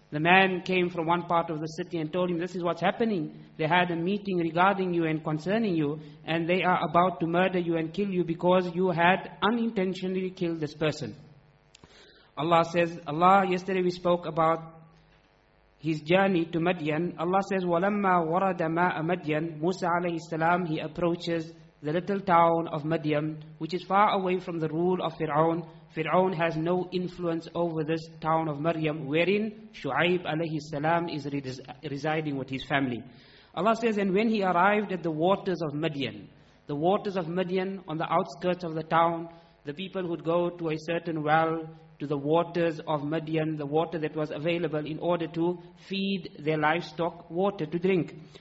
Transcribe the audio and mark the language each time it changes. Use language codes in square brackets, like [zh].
[en] The man came from one part of the city and told him, this is what's happening. They had a meeting regarding you and concerning you, and they are about to murder you and kill you because you had unintentionally killed this person. Allah says, yesterday we spoke about his journey to Madian. Allah says, [ar] وَلَمَّا وَرَدَ مَاءَ مَدْيَنْ. [en] Musa alayhi salam, he approaches the little town of Madian, which is far away from the rule of Fir'aun. Fir'aun has no influence over this town of Maryam, wherein Shu'aib alayhi salam is residing with his family. Allah says, and when he arrived at the waters of Madian, the waters of Madian on the outskirts of the town, the people would go to a certain well, to the waters of Madian, the water that was available in order to feed their livestock water to drink.